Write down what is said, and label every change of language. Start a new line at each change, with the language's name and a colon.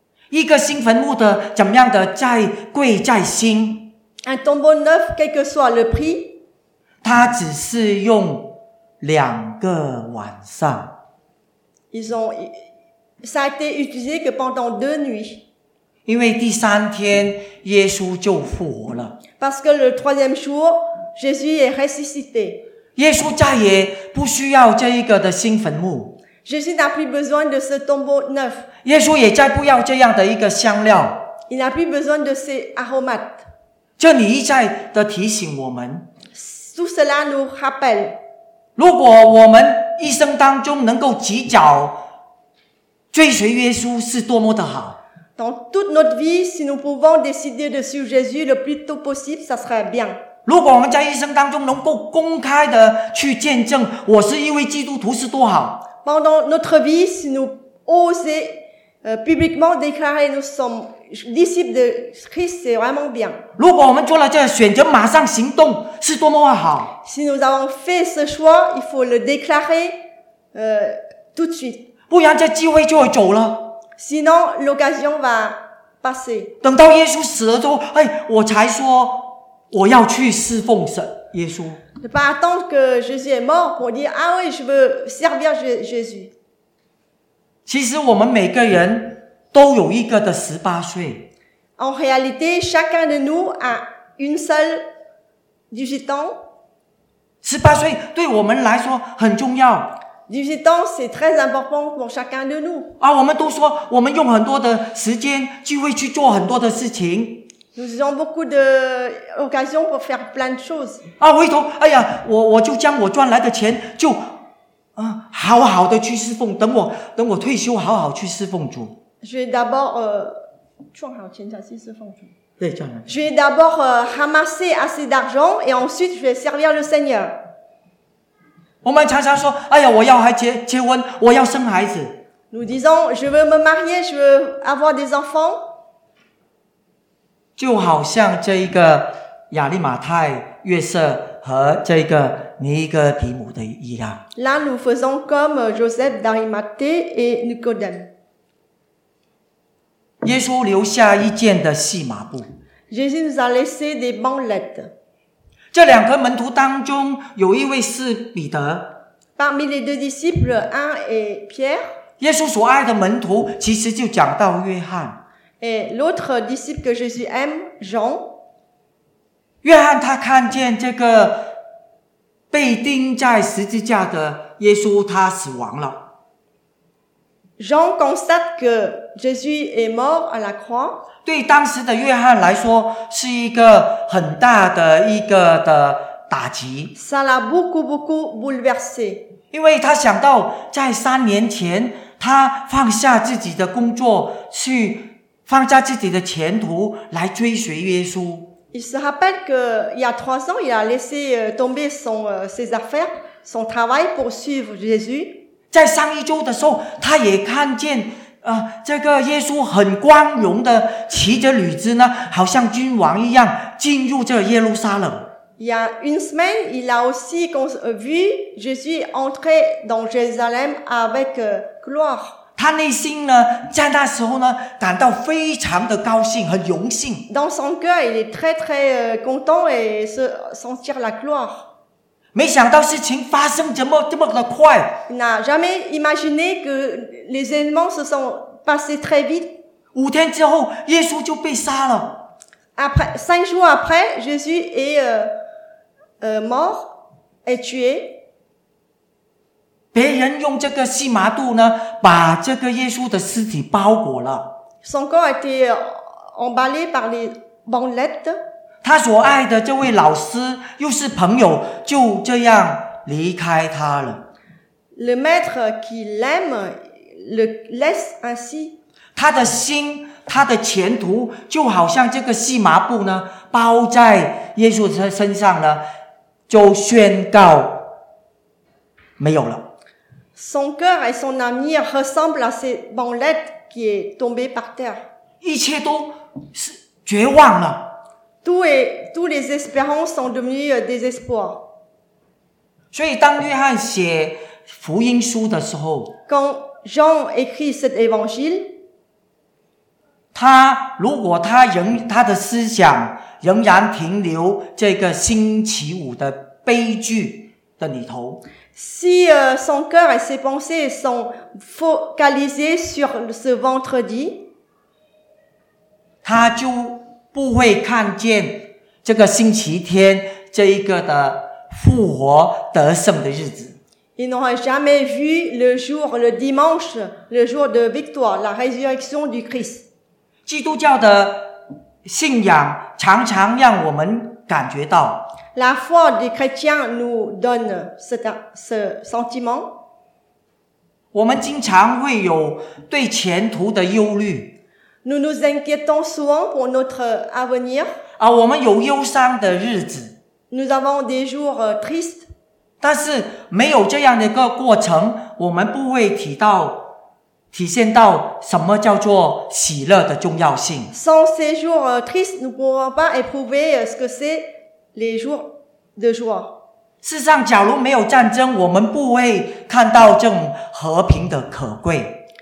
Chinese: 一个新坟墓的怎么样的在贵在新。
French: Un tombeau neuf, quel que soit le prix.
Chinese: 他只是用两个晚上。
French: Ça a été utilisé que pendant deux nuits.
Chinese: 因为第三天耶稣就复活了。
French: Parce que le troisième jour, Jésus est ressuscité.
Chinese: 耶稣再也不需要这一个的新坟墓。
French: Jésus n'a plus besoin de ce tombeau neuf.
Chinese: 耶稣也再不要这样的一个香料。
French: Il n'a plus besoin de ces aromates.
Chinese: 这里一再的提醒我们。
French: Tout cela nous rappelle.
Chinese: 如果我们一生当中能够及早追随耶稣是多么的好。
French: Dans toute notre vie, si nous pouvons décider de suivre Jésus le plus tôt possible, ça serait bien.
Chinese: 如果我们在一生当中能够公开的去见证我是一位基督徒是多好。
French: Pendant notre vie, si nous osons publiquement déclarer nous sommes disciples de Christ, c'est vraiment bien.
Chinese: 如果我们做了这个选择，马上行动，是多么好。
French: Si nous avons fait ce choix, il faut le déclarer tout de suite.
Chinese: 不然这机会就会走了。
French: Sinon, l'occasion va passer.
Chinese: 等到耶稣死了之后，哎，我才说我要去侍奉神耶稣。
French: Ne pas attendre que Jésus est mort pour dire « Ah oui, je veux servir Jésus. »
Chinese: 其实我们每个人都有一个的十八岁。
French: En réalité, chacun de nous a une seule 18 ans.
Chinese: 十八岁对我们来说很重要。
French: 18 ans, c'est très important pour chacun de nous.
Chinese: 啊，我们都说我们用很多的时间就会去做很多的事情。
French: Nous avons beaucoup d'occasions pour faire plein de choses.
Chinese: 啊，回头，哎呀，我就将我赚来的钱就，啊，好好的去侍奉。等我退休，好好去侍奉主。
French: Je vais d'abord
Chinese: 赚好钱才去侍奉主。对，这样。
French: Je vais d'abord ramasser assez d'argent et ensuite je vais servir le Seigneur.
Chinese: 我们常常说，哎呀，我要还结婚，我要生孩子。
French: Nous disons, je veux me marier, je veux avoir des enfants.
Chinese: 就好像这一个亚利马太约瑟和这个尼哥底母的一样。
French: Là, nous faisons comme Joseph d'Arimathée et Nicodème.
Chinese: 耶稣留下一件的细麻布。
French: Jésus nous a laissé des bandelettes.
Chinese: 这两个门徒当中有一位是彼得。
French: Parmi les deux disciples, un est Pierre.
Chinese: 耶稣所爱的门徒其实就讲到约翰。
French: Et l'autre disciple que Jésus aime, Jean.
Chinese: 约翰他看见这个被钉在十字架的耶稣他死亡了。
French: Jean constate que Jésus est mort à la croix.
Chinese: 对当时的约翰来说是一个很大的一个的打击。
French: Ça l'a beaucoup, beaucoup bouleversé.
Chinese: 因为他想到在三年前他放下自己的工作去放下自己的前途来追随耶稣。
French: Il se rappelle que il y a trois ans, il a laissé tomber ses affaires, son travail pour suivre Jésus.
Chinese: 在上一周的时候，他也看见这个耶稣很光荣的骑着驴子呢，好像君王一样进入这耶路撒冷。
French: Il y a une semaine, il a aussi vu Jésus entrer dans Jérusalem avec gloire.
Chinese: 他内心呢，在那时候呢，感到非常的高兴和荣幸。
French: Dans son cœur, il est très très content et se sentir la gloire.
Chinese: 没想到事情发生这么的快。
French: N'a jamais imaginé que les événements se sont passés très vite.
Chinese: 五天之后，耶稣就被杀了。
French: Après, cinq jours après, Jésus est mort, est tué.
Chinese: 别人用这个细麻布呢，把这个耶稣的尸体包裹了。
French: Son corps a été emballé par les bandelettes.
Chinese: 他所爱的这位老师又是朋友，就这样离开他了。
French: Le maître qui l'aime le laisse ainsi.
Chinese: 他的心，他的前途，就好像这个细麻布呢，包在耶稣的身上呢，就宣告没有了。
French: Son cœur et son avenir ressemblent à ces bandelettes qui est tombée par terre.
Chinese: 一切都是绝望了。
French: Tous les espérances sont devenues désespoir.
Chinese: 所以当约翰写福音书的时候，
French: quand Jean écrit cet évangile,
Chinese: 他如果他的思想仍然停留这个星期五的悲剧的里头。
French: Si son cœur et ses pensées sont focalisées sur ce vendredi,
Chinese: 他就不会看见这个星期天这一个的复活得胜的日子。
French: Ils n'ont jamais vu le jour, le dimanche, le jour de victoire, la résurrection du Christ.
Chinese: 基督教的信仰常常让我们感觉到
French: La foi des chrétiens nous donne ce sentiment.
Chinese: 我们经常会有对前途的忧虑
French: Nous nous inquiétons souvent pour notre avenir.
Chinese: 啊，我们有忧伤的日子
French: Nous avons des jours tristes.
Chinese: 但是没有这样的一个过程，我们不会体现到什么叫做喜乐的重要性。
French: Sans ces jours tristes, nous ne pouvons pas éprouver ce que c'est les jours de joie.
Chinese: 事实上，假如没有战争，我们不会看到这种和平的可贵。